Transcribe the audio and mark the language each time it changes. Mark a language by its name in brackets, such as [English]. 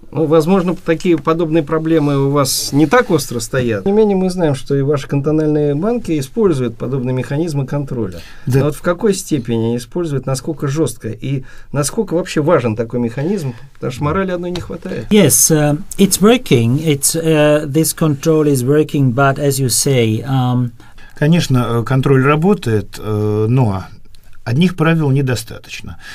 [Russian] Ну, возможно, такие подобные проблемы у вас не так остро стоят. Тем не менее, мы знаем, что и ваши кантональные банки используют подобные механизмы контроля. Да. Но вот в какой степени они используют, насколько жестко и насколько вообще важен такой механизм, потому что морали одной не хватает. [English] Yes, it's working. This control is working, but as you say, [Russian] конечно, контроль работает, но одних правил недостаточно.